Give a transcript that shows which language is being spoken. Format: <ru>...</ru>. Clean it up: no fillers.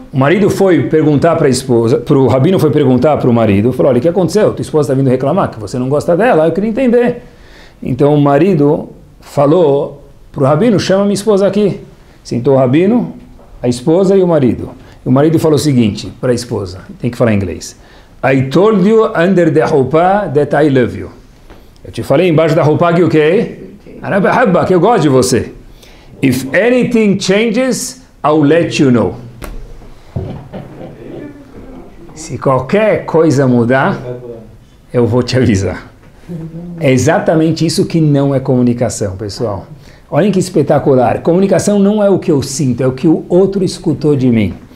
<pt>O marido foi perguntar para a esposa, para o rabino foi perguntar para o marido, falou, olha, o que aconteceu? Tua esposa está vindo reclamar que você não gosta dela, eu queria entender. Então o marido falou para o rabino, chama minha esposa aqui. Sentou o rabino, a esposa e o marido. O marido falou o seguinte para a esposa, tem que falar inglês.</pt> <en>I told you under the roupa that I love you.</en> <pt>Eu te falei embaixo da roupa que o quê? Que eu gosto de você.</pt> <en>If anything changes, I'll let you know.</en> <pt>Se qualquer coisa mudar, eu vou te avisar. É exatamente isso que não é comunicação, pessoal. Olhem que espetacular. Comunicação não é o que eu sinto, é o que o outro escutou de mim.</pt>